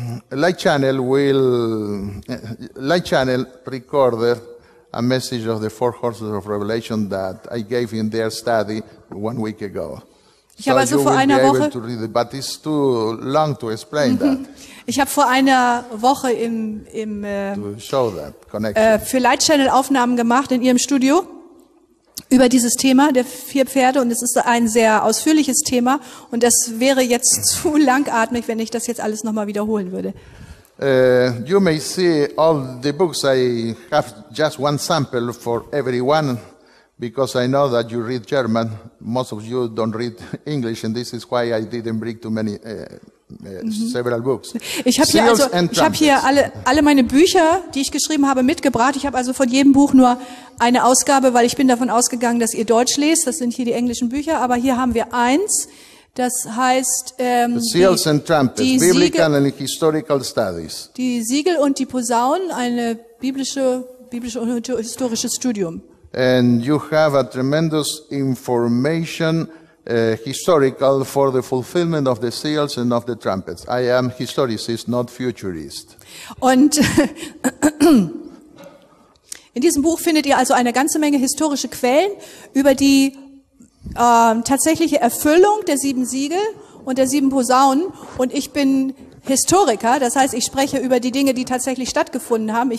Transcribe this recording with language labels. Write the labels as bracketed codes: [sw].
[en] Light Channel recorded a message of the four horses of Revelation that I gave in their study 1 week ago. [de] Ich habe also vor einer Woche, [en] to read it, but it's too long to explain mm-hmm. that. [de] Ich habe vor einer Woche im [en] show that [de] für Light Channel Aufnahmen gemacht in ihrem Studio über dieses Thema der vier Pferde, und es ist ein sehr ausführliches Thema, und das wäre jetzt zu langatmig, wenn ich das jetzt alles nochmal wiederholen würde. [en] You may see all the books. I have just one sample for everyone, because I know that you read German. Most of you don't read English, and this is why I didn't bring too many several books. [de] Ich habe hier, alle meine Bücher, die ich geschrieben habe, mitgebracht. Ich habe also von jedem Buch nur eine Ausgabe, weil ich bin davon ausgegangen, dass ihr Deutsch lest. Das sind hier die englischen Bücher, aber hier haben wir eins. Das heißt [en] Seals and Trumpets, die Biblical and Historical Studies. [de] Die Siegel und die Posaunen, eine biblische und historisches Studium. [en] And you have a tremendous information historical for the fulfillment of the seals and of the trumpets. I am historicist, not futurist. [de] Und in diesem Buch findet ihr also eine ganze Menge historische Quellen über die tatsächliche Erfüllung der sieben Siegel und der sieben Posaunen. Und ich bin Historiker, das heißt, ich spreche über die Dinge, die tatsächlich stattgefunden haben.